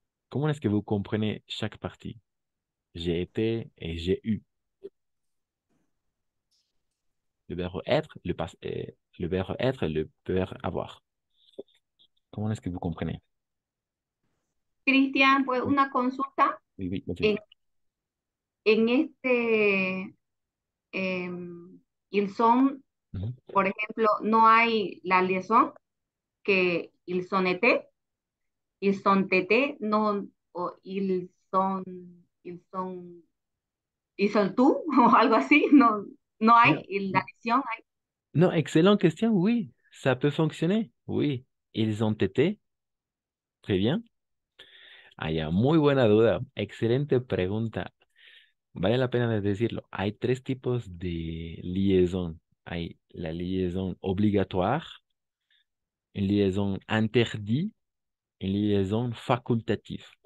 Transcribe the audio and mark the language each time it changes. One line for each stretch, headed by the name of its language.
French: Comment est-ce que vous comprenez chaque partie? J'ai été et j'ai eu. Le verbe être, le passé, le verbe être et le verbe avoir. Comment est-ce que vous comprenez?
Spanish: Cristian, pues una consulta.
French: Oui, continuez.
Spanish: En ils sont, por ejemplo, no hay la liaison que
French: ils sont été, ils sont tété,
Spanish: no, o ils sont tú, o algo así, no hay, la liaison hay.
French: Non, excellente question, oui, ça peut fonctionner, oui, ils ont été, très bien.
Spanish: Ah, ya, muy buena duda. Excelente pregunta. Vale la pena decirlo. Hay tres tipos de liaison. Hay
French: la liaison obligatoire, une liaison interdite, une liaison facultative.